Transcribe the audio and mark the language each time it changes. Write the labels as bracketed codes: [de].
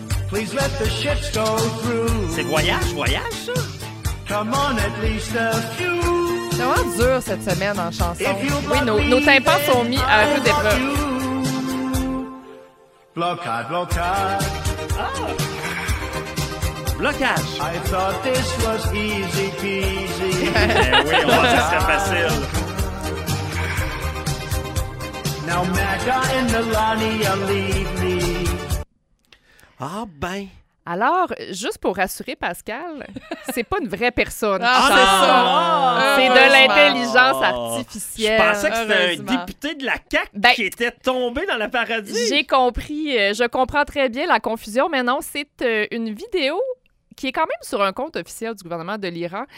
[en] Please let the ships go through. [fr] C'est voyage, ça? [en] Come on, at least a few. [fr] C'est vraiment dur cette semaine en chanson. Oui, nos tympans sont mis à rude épreuve. Blocage, blocage. Blocage. [en] I thought this was easy peasy. [fr] Eh oui, on va dire que c'est facile. [en] Now Maga and Nalani leave me. [fr] Ah ben. Alors, juste pour rassurer Pascal, c'est pas une vraie personne. Ah, c'est ça! C'est de l'intelligence artificielle. Je pensais que c'était un député de la CAQ qui était tombé dans la paradis. J'ai compris. Je comprends très bien la confusion. Mais non, c'est une vidéo qui est quand même sur un compte officiel du gouvernement de l'Iran.